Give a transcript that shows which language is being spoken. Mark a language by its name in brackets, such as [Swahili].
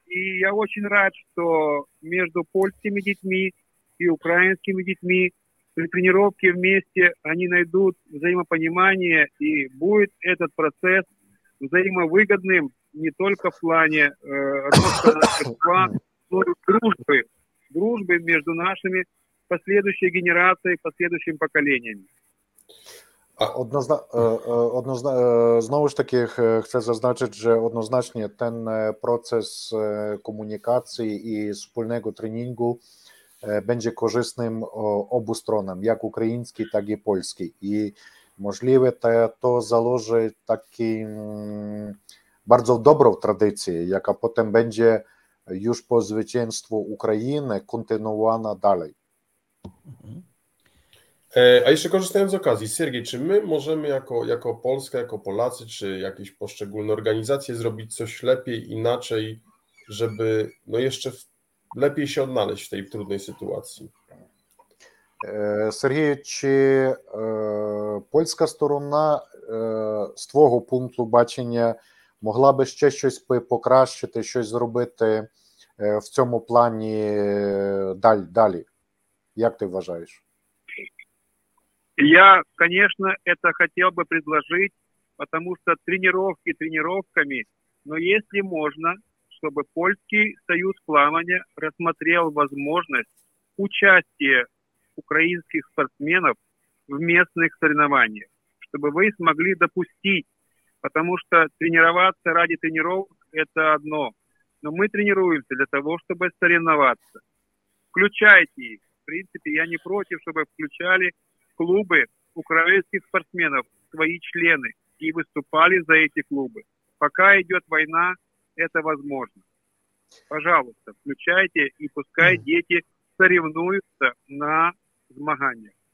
[Russian] И я очень рад, что между польскими детьми и украинскими детьми при тренировке вместе они найдут взаимопонимание, и будет этот процесс взаимовыгодным не только в плане роста нашего, но и дружбы между нашими последующей генерацией, последующим поколением. [Ukrainian] Знову ж таки, хочу зазначити, що однозначно той процес комунікації і спільного тренінгу [Polish] będzie korzystnym obu stronom, jak ukraińskiej, tak i polskiej. I możliwe to zależy taki bardzo dobrą tradycję, jaka potem będzie już po zwycięstwie Ukrainy kontynuowana dalej. A jeszcze korzystając z okazji, Siergiej, czy my możemy jako Polska, jako Polacy, czy jakieś poszczególne organizacje zrobić coś lepiej, inaczej, żeby no jeszcze lepiej się odnaleźć w tej trudnej sytuacji? [Ukrainian] Сергій, чи польська сторона з твого пункту бачення могла би ще щось покращити, щось зробити в цьому плані далі? Як ти вважаєш? Я, звісно, це хотів би пропонувати, тому що тренування тренуваннями, але якщо можна, щоб Польський Союз плавання розглянув можливість [Russian] участия украинских спортсменов в местных соревнованиях, чтобы вы смогли допустить, потому что тренироваться ради тренировок – это одно. Но мы тренируемся для того, чтобы соревноваться. Включайте их. В принципе, я не против, чтобы включали клубы украинских спортсменов, свои члены, и выступали за эти клубы. Пока идет война, это возможно. Пожалуйста, включайте, и пускай дети соревнуются [Ukrainian] на змагання.